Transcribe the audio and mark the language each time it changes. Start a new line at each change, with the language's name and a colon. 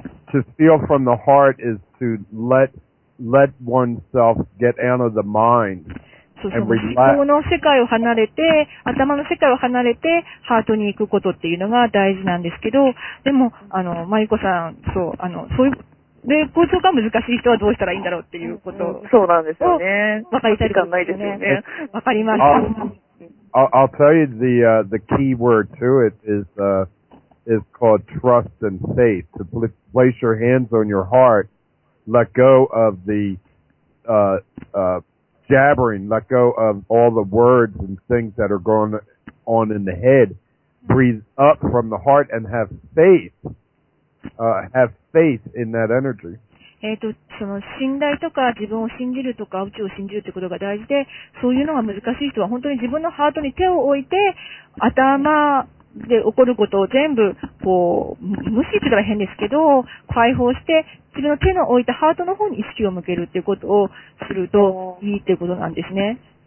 English: To feel from the heart is to let oneself get out of the mind and relax.
Japanese: 心の世界を離れて、頭の世界を離れて、ハートに行くことっていうのが大事なんですけど、でも、あの、マリコさん、そう、あの、そういう、で、こういうことが難しい人はどうしたらいいんだろうっていうことを、そうなんですよね。わかりたいことですね。わかりました。
English: I'll tell you the key word to it is called trust and faith. To place your hands on your heart, let go of the, jabbering, let go of all the words and things that are going on in the head. Breathe up from the heart and have faith. Have faith in that energy.
Japanese: その信頼とか自分を信じるとか宇宙を信じるってことが大事で、そういうのが難しい人は本当に自分のハートに手を置いて、頭、で、起こることを全部、こう、無視って言ったら変ですけど、解放して、自分の手の置いたハートの方に意識を向けるっていうことをするといいっていうことなんですね。